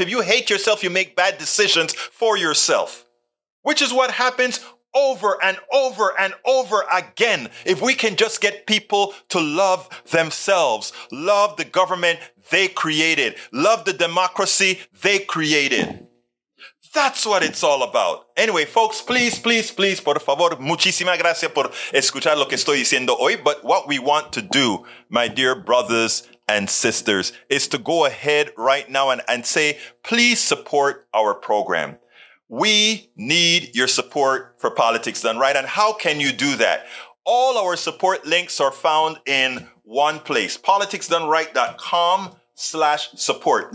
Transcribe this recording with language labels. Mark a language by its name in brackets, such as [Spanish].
[English] If you hate yourself, you make bad decisions for yourself, which is what happens over and over and over again. If we can just get people to love themselves, love the government they created, love the democracy they created. That's what it's all about. Anyway, folks, please, please, please, [Spanish] por favor, muchísimas gracias por escuchar lo que estoy diciendo hoy. [English] But what we want to do, my dear brothers and sisters, is to go ahead right now and say, please support our program. We need your support for Politics Done Right. And how can you do that? All our support links are found in one place, politicsdoneright.com/support.